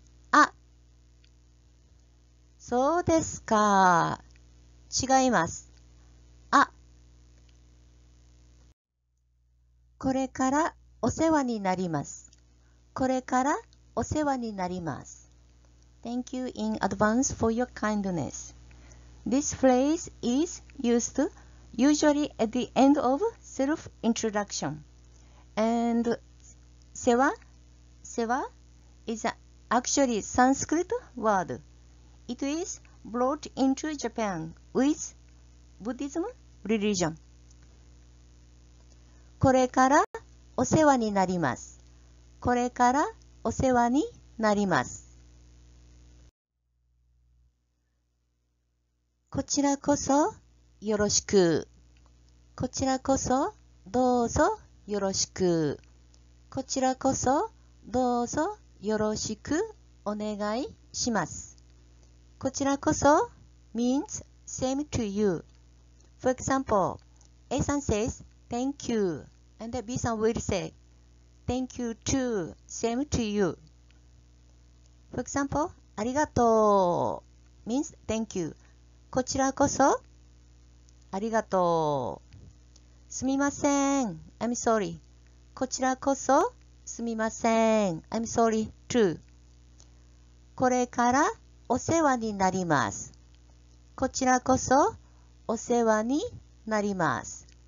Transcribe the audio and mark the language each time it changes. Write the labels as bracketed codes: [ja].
[ja] あ、そうですか。違います。あ、これからお世話になります。これからお世話になります。 [en] Thank you in advance for your kindness. This phrase is used usually at the end of self-introduction. And Seva, seva is actually Sanskrit word. It is brought into Japan with Buddhism religion. [ja] これからお世話になります。これからお世話になります。こちらこそよろしく。こちらこそどうぞよろしく。こちらこそどうぞよろしくお願いします。 [en] こちらこそ means same to you. For example, A さん says thank you and B さん will say thank you too, same to you. For example, ありがとう means thank you. [ja] こちらこそありがとう。すみません。 [en] I'm sorry. [ja] こちらこそすみません。 [en] I'm sorry too. [ja] これからお世話になります。こちらこそお世話になります。